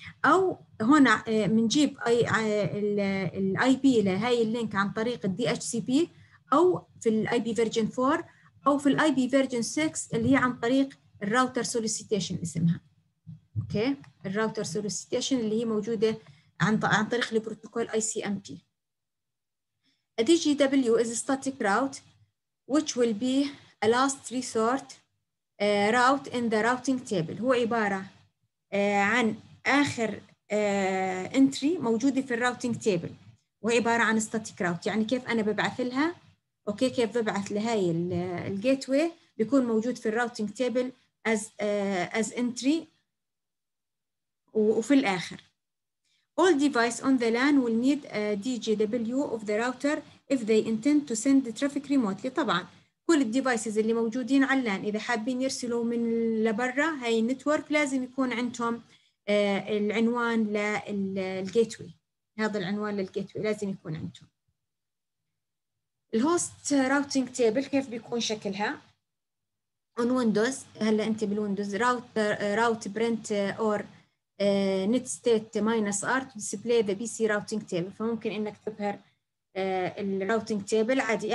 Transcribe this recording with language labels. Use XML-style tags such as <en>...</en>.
<ar>او هنا بنجيب اي الاي بي لهي اللينك عن طريق الدي اتش سي بي، او في الاي بي فيرجن 4 او في الاي بي فيرجن 6 اللي هي عن طريق الراوتر سوليسيتيشن اسمها اوكي. الراوتر سوليسيتيشن اللي هي موجوده عن طريق البروتوكول اي سي ام بي.</ar> <en>الدي G W is static route which will be a last resort route in the routing table.</en> <ar>هو عباره عن اخر انتري موجوده في الراوتينج تيبل، وعباره عن ستاتيك راوت. يعني كيف انا ببعث لها اوكي، كيف ببعث لهاي الجيت واي بيكون موجود في الراوتينج تيبل از از انتري وفي الاخر.</ar> <en>All device on the LAN will need a DGW of the router if they intend to send the traffic remotely.</en> <ar>طبعا كل الديفايسز اللي موجودين على اللان اذا حابين يرسلوا من لبرا هاي النتورك لازم يكون عندهم العنوان للجيت واي، هذا العنوان للجيت واي لازم يكون عندهم. الهوست راوتينج تيبل كيف بيكون شكلها؟ اون ويندوز، هلا انت بالويندوز</ar> <en>route route print or netstat minus r to display the P C routing table,</en> <ar>فممكن انك تظهر الراوتينج تيبل عادي.</ar>